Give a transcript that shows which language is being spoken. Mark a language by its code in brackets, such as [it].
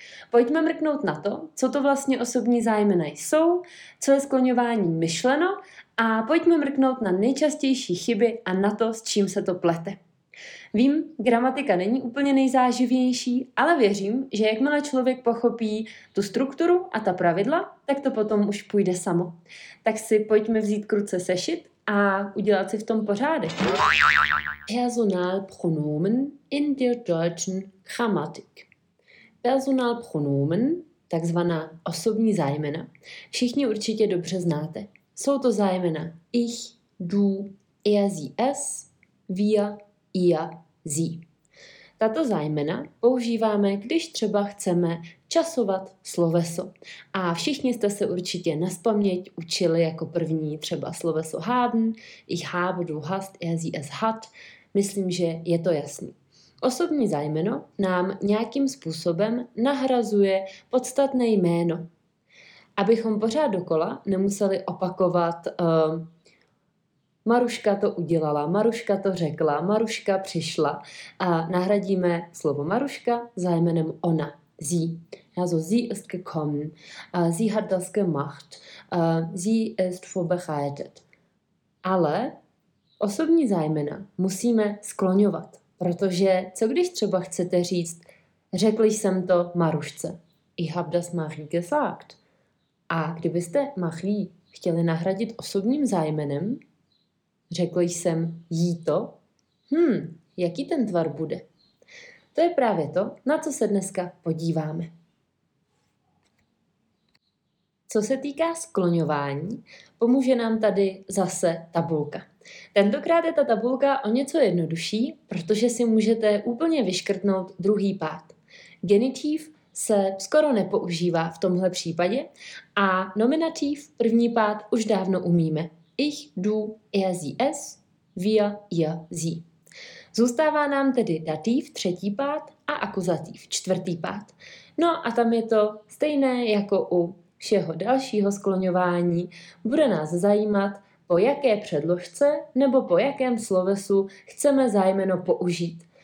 [cs] Pojďme mrknout na to, co to vlastně osobní zájmena jsou, co je skloňování myšleno a pojďme mrknout na nejčastější chyby a na to, s čím se to plete. Vím, gramatika není úplně nejzáživější, ale věřím, že jakmile člověk pochopí tu strukturu a ta pravidla, tak to potom už půjde samo. Tak si pojďme vzít k ruce sešit a udělat si v tom pořádek. [de] Personalpronomen in der deutschen Grammatik. [cs] Personalpronomen, takzvaná osobní zájmena, všichni určitě dobře znáte. Jsou to zájmena [de] ich, du, er, sie, es, wir, ihr, sie. [cs] Tato zájmena používáme, když třeba chceme časovat sloveso. A všichni jste se určitě nazpaměť učili jako první třeba sloveso haben, [de] ich habe, du hast, er, sie, es hat. [cs] Myslím, že je to jasný. Osobní zájmeno nám nějakým způsobem nahrazuje podstatné jméno. Abychom pořád dokola nemuseli opakovat Maruška to udělala, Maruška to řekla, Maruška přišla a nahradíme slovo Maruška zájmenem ona, sie. [de] Also sie ist gekommen, sie hat das gemacht, sie ist vorbereitet. [cs] Ale osobní zájmena musíme skloňovat, protože co když třeba chcete říct, řekl jsem to Marušce. [de] Ich hab das Marie gesagt. [cs] A kdybyste Marie chtěli nahradit osobním zájmenem, řekl jsem jí to, jaký ten tvar bude? To je právě to, na co se dneska podíváme. Co se týká skloňování, pomůže nám tady zase tabulka. Tentokrát je ta tabulka o něco jednodušší, protože si můžete úplně vyškrtnout druhý pád. Genitiv se skoro nepoužívá v tomhle případě a nominativ první pád už dávno umíme. [de] Ich, du, er, sie, es, wir, ihr, sie. [cs] Zůstává nám tedy dativ třetí pád a akuzativ čtvrtý pád. No a tam je to stejné jako u všeho dalšího skloňování. Bude nás zajímat, po jaké předložce nebo po jakém slovesu chceme zájmeno použít.